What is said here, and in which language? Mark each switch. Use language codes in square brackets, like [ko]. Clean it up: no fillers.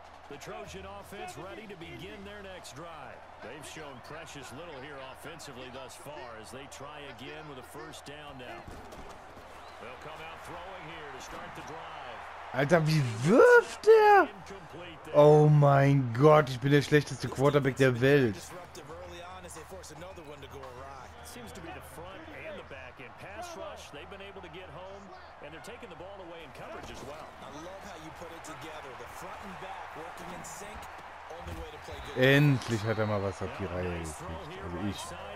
[en] The Trojan offense ready to begin their next drive. They've shown precious little here offensively thus far as they try again with a first down now. They'll come out throwing here to start the drive. [de] Alter, wie wirft der? Oh mein Gott, ich bin der schlechteste Quarterback der Welt. [en] Seems to be the front and the back end pass rush. They've been able to get home and they're taking the ball away in coverage as well. I love how you put it together. The front and back working in sync. [de] Endlich hat er mal was auf die Reihe gekriegt.